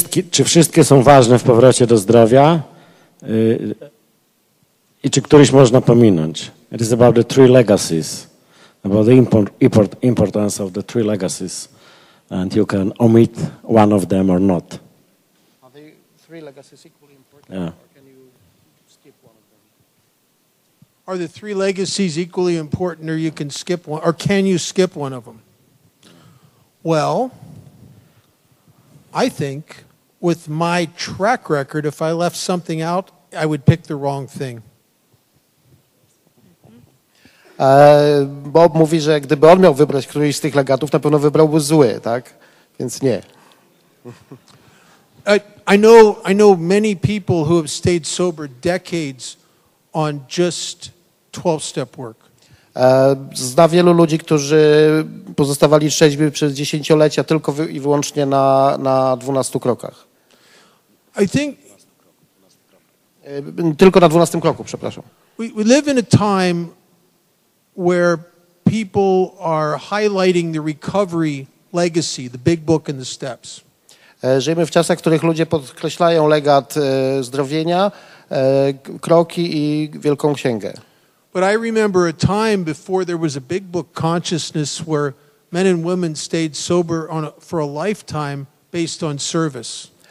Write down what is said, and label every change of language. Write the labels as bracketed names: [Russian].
[Polish] Czy wszystkie są ważne w powrocie do zdrowia? I czy któryś można pominąć? [English] It is about the three legacies. About the importance of the three legacies. And you can omit one of them or not. Are the three legacies equally important? Yeah. Or can you skip one of them? Are the three legacies equally important or you can skip one? Or can you skip one of them? Well, I think with my track record, if I left something out, I would pick the wrong thing. [Polish] Bob mówi, że gdyby on miał wybrać któryś z tych legatów, na pewno wybrałby zły, tak? Więc nie. [English] I know many people who have stayed sober decades on just 12-step work. [Polish] Zna wielu ludzi, którzy pozostawali trzeźwi przez dziesięciolecia tylko i wyłącznie na 12 krokach. [English] I think [Polish] tylko na 12 kroku, przepraszam. [English] We live in a time where people are highlighting the recovery legacy, the big book and the steps. [Polish] Żyjemy w czasach, w których ludzie podkreślają legat zdrowienia, kroki i wielką księgę. [English] But I remember a time before there was a big book consciousness where men and women stayed sober for a lifetime based on service.